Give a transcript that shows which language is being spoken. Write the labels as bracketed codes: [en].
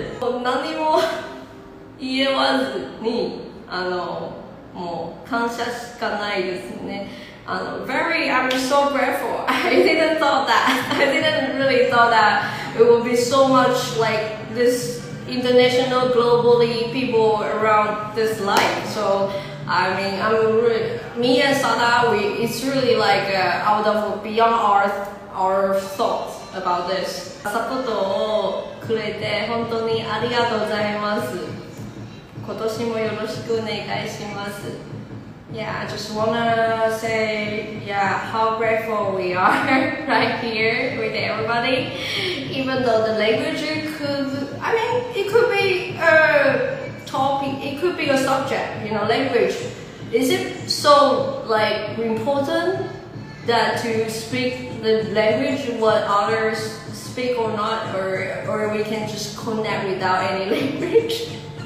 [ja] 何も言えわずに、もう感謝しかないですね。 [en] I'm so grateful. I didn't really thought that it would be so much like this international, globally people around this life. So, I mean, I'm really, me and Sada, it's really like out of beyond our thoughts about this. [ja] サポートをくれて本当にありがとうございます。今年もよろしくお願いします。 [en] Yeah, I just wanna say, yeah, how grateful we are right here with everybody. Even though the language it could be a topic, it could be a subject, you know, language. Is it so like important that to speak the language what others speak or not, or we can just connect without any language?